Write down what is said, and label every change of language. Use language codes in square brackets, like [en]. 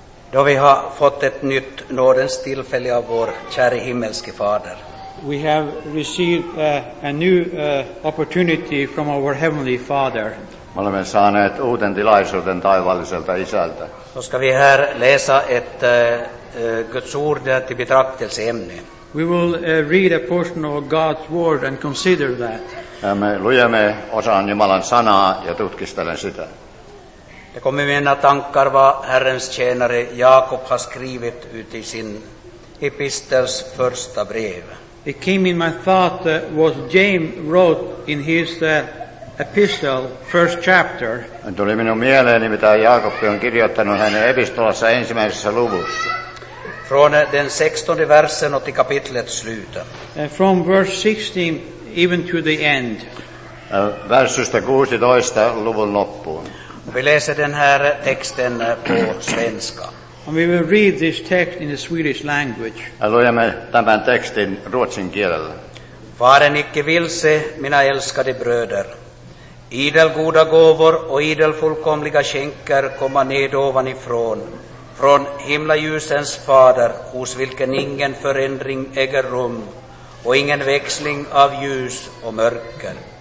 [sv] Då vi har fått ett nytt nådens tillfälle av vår kära himmelske fader. [en] We have received a new opportunity from our heavenly father. [fi] Me olemme saaneet uuden tilaisuuden taivalliselta isältä. [sv] Så ska vi här läsa ett Guds ord till betraktelseämne. [en] We will read a portion of God's word and consider that. [fi] Me luemme osan Jumalan sanaa ja tutkistelen sitä. [sv] Det kommer mina tankar vad Herrens tjänare Jakob har skrivit ut i sin epistels första brev. [en] It came in my thought what James wrote in his epistle, first chapter. [fi] Tuli minun mieleeni, mitä Jaakob on kirjoittanut hänen epistolassa ensimmäisessä luvussa. [sv] Från den 16 versen och till kapitlet slut. [en] From verse 16 even to the end. [fi] Versusta 16 luvun loppuun. [sv] Vi läser den här texten på svenska. [en] And we will read this text in the Swedish language. [fi] Luemme tämän tekstin ruotsin kielellä. [sv] Varen icke vilse, minä älskade bröder. Idel goda gåvor och idel fullkomliga skänker komma ned ovanifrån. Från himlaljusens fader, hos vilken ingen förändring äger rum och ingen växling av ljus och mörker.